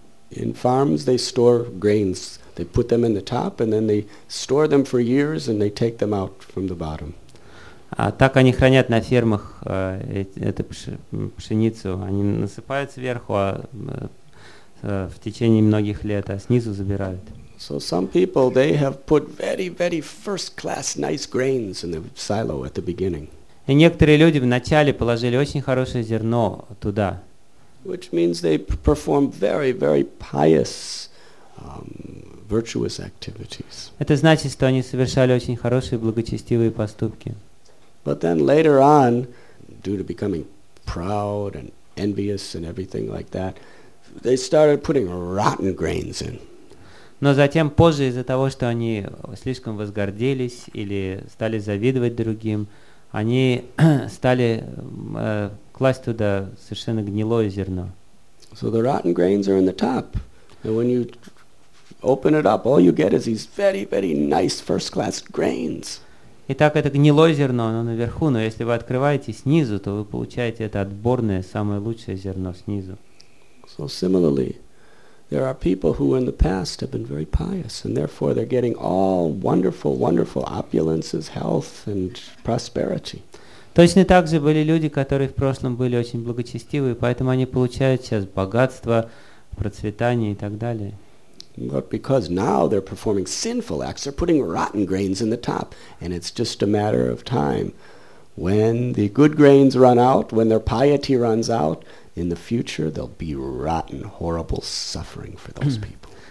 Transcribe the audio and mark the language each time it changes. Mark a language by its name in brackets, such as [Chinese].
[English] In farms they store grains. They put them in the top and then they store them for years and they take them out from the bottom. [Russian] А так они хранят на фермах эту пшеницу. Они насыпают сверху, а в течение многих лет, а снизу забирают. [English] So some people, they have put very, very first-class nice grains in the silo at the beginning. [Russian] И некоторые люди вначале положили очень хорошее зерно туда. [English] Which means they perform very, very pious, virtuous activities. [Russian] Это значит, что они совершали очень хорошие благочестивые поступки. [English] But then later on, due to becoming proud and envious and everything like that, they started putting rotten grains in. [Russian] Но затем позже из-за того, что они слишком возгордились или стали завидовать другим, они стали класть туда совершенно гнилое зерно. [English] So the rotten grains are in the top, and when you open it up, all you get is these very, very nice first-class grains. [Russian] Итак, это гнилое зерно, оно наверху, но если вы открываете снизу, то вы получаете это отборное, самое лучшее зерно снизу. [English] So similarly, there are people who in the past have been very pious, and therefore they're getting all wonderful, wonderful opulences, health and prosperity. [Russian] Точно так же были люди, которые в прошлом были очень благочестивы, поэтому они получают сейчас богатство, процветание и так далее. [English] But because now they're performing sinful acts, they're putting rotten grains in the top, and it's just a matter of time. When the good grains run out, when their piety runs out, in the future there'll be rotten, horrible suffering for those people.